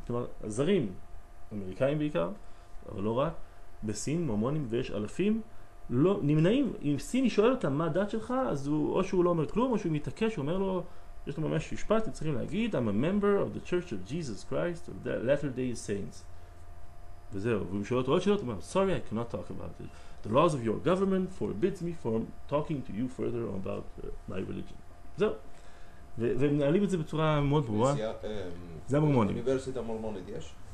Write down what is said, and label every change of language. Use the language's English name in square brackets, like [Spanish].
[Hebrew] כלומר, זרים, אמריקאים בעיקר, אבל לא רק, בסין, מורמונים, ויש אלפים, לא, נמנעים. אם סיני שואל אותם מה הדת שלך, אז הוא, או שהוא לא אומר כלום, או שהוא מתעקש, אומר לו, יש לו ממש משפט, הם צריכים להגיד, [English] I'm a member of the Church of Jesus Christ of the Latter-day Saints. [Hebrew] וזהו, והם שואלות עוד שאלות, אומרים, [English] sorry, I cannot talk about it. The laws of your government forbids me from talking to you further about my religion. [Hebrew] זהו. והם נעלים את זה בצורה מאוד ברורה. זה המורמונים. אוניברסיטה מורמונית יש?